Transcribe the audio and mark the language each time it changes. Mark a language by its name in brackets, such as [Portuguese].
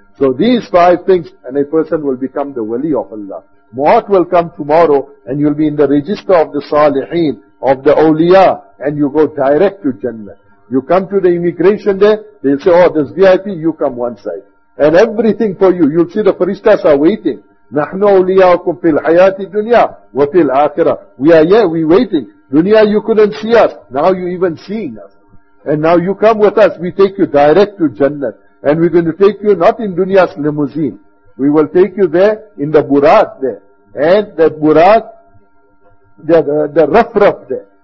[English] So these 5 things, and a person will become the wali of Allah. Maut will come tomorrow, and you'll be in the register of the salihin, of the awliya, and you go direct to Jannah. You come to the immigration there, they'll say, oh, this VIP, you come one side. And everything for you, you'll see the farishtas are waiting. [Arabic] نَحْنُ أَوْلِيَاكُمْ فِي الْحَيَاةِ الدُّنْيَا وَفِي الْآخِرَةِ. [English] We are here, we waiting. Dunya, you couldn't see us. Now you even seeing us. And now you come with us, we take you direct to Jannah. And we're going to take you not in dunya's limousine. We will take you there in the burat there. And that burat, the rough there.